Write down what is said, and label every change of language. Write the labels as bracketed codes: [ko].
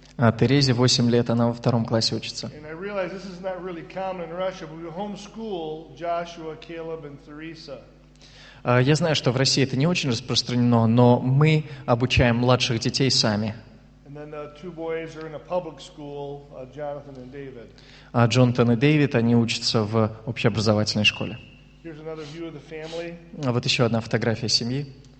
[ru] А Терезе 8 лет, она во 2-м классе учится. [en] And I realize this is not really common in Russia, but we homeschool Joshua, Caleb, and Theresa. [ru] Я знаю, что в России это не очень распространено, но мы обучаем младших детей сами. [en] And then the 2 boys are in a public school, Jonathan and David. [ru] А Джонатан и Дэвид, они учатся в общеобразовательной школе. Вот еще одна фотография семьи.